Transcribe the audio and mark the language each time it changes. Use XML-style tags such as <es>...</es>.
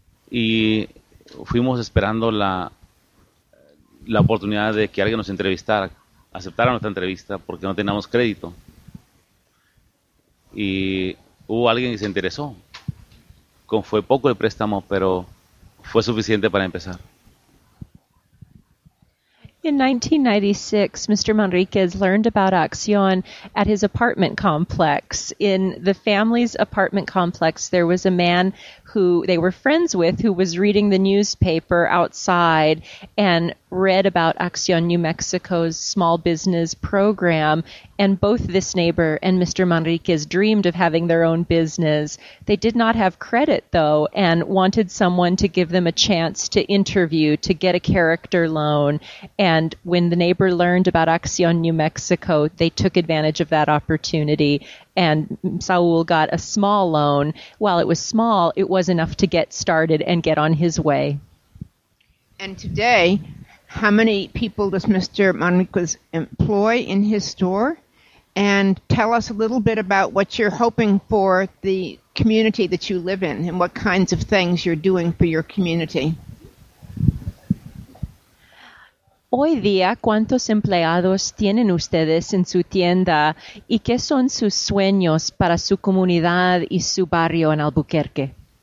<es>Y fuimos esperando la oportunidad de que alguien nos entrevistara. Aceptaron nuestra entrevista porque no teníamos crédito. Y hubo alguien que se interesó. Fue poco el préstamo, pero fue suficiente para empezar.</es> <en>In 1996, Mr. Manriquez learned about Acción at his apartment complex. In the family's apartment complex, there was a man who they were friends with who was reading the newspaper outside and read about Acción New Mexico's small business program. And both this neighbor and Mr. Manriquez dreamed of having their own business. They did not have credit, though, and wanted someone to give them a chance to interview, to get a character loan. And when the neighbor learned about Acción New Mexico, they took advantage of that opportunity. And Saul got a small loan. While it was small, it was enough to get started and get on his way. And today, how many people does Mr. Manriquez employ in his store? And tell us a little bit about what you're hoping for the community that you live in and what kinds of things you're doing for your community.</en> <es>Hoy día, ¿cuántos empleados tienen ustedes en su tienda y qué son sus sueños para su comunidad y su barrio en Albuquerque?</es>